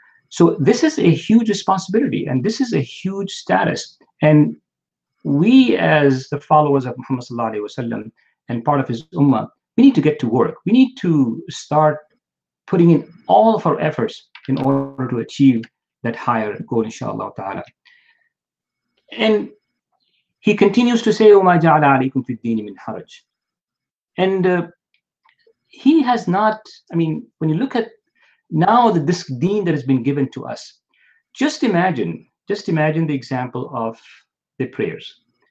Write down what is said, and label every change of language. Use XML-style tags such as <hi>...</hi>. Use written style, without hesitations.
<en>So this is a huge responsibility, and this is a huge status. And we, as the followers of Muhammad sallallahu alaihi wasallam and part of his ummah, we need to get to work. We need to start putting in all of our efforts in order to achieve that higher goal, inshallah ta'ala. And he continues to say,</en> <ar>وَمَا جَعَلَ عَلَيْكُمْ فِي الدِّينِ مِنْ حَرَجٍ.</ar> <en>And he has not, I mean, when you look at now that this deen that has been given to us, just imagine the example of the prayers.</en>